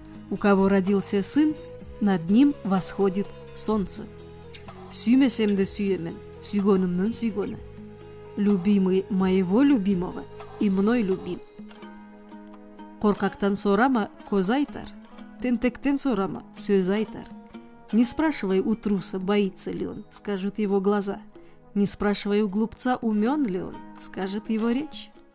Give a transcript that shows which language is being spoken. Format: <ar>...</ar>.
<ru>У кого родился сын, над ним восходит солнце.</ru> <kk>Сүймесем де сүйемен, сүйгонымның сүйгоны.</kk> <ru>Любимый моего любимого и мной любим.</ru> <kk>Қорқақтан сорама, көз айтар. Тентектен сорама, сөз айтар.</kk> <ru>Не спрашивай у труса, боится ли он, скажут его глаза. Не спрашивай у глупца, умен ли он, скажет его речь.</ru>